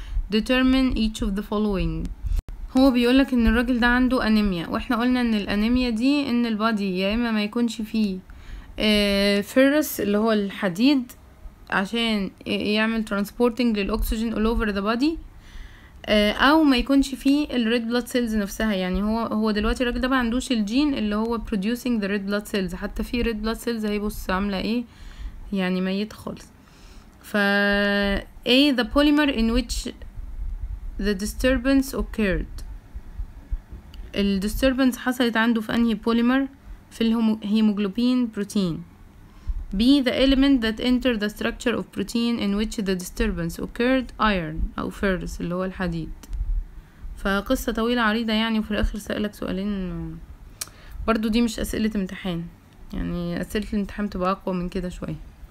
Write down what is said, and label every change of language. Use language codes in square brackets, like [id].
[en] Determine each of the following. [ar] هو بيقول لك ان الراجل ده عنده انيميا، واحنا قلنا ان الانيميا دي ان البادي يا اما ما يكونش فيه فيروس اللي هو الحديد عشان يعمل ترانسبورتنج للاكسجين [en] all over the body، [ar] او ما يكونش فيه الريد بلاد سيلز نفسها. يعني هو دلوقتي الراجل ده ما عندوش الجين اللي هو [en] producing the red blood cells، [ar] حتى في ريد بلاد سيلز هي بص عامله ايه يعني ميت خالص. [en] ف A the polymer in which the disturbance occurred. [ar] ال disturbance حصلت عنده في انهي بوليمر؟ في الهيموجلوبين بروتين. [en] B the element that enter the structure of protein in which the disturbance occurred iron أو ferrous [ar] اللي هو الحديد. فقصة طويلة عريضة يعني، وفي الآخر سألك سؤالين برضو دي مش أسئلة امتحان، يعني أسئلة الامتحان تبقى أقوى من كده شوية.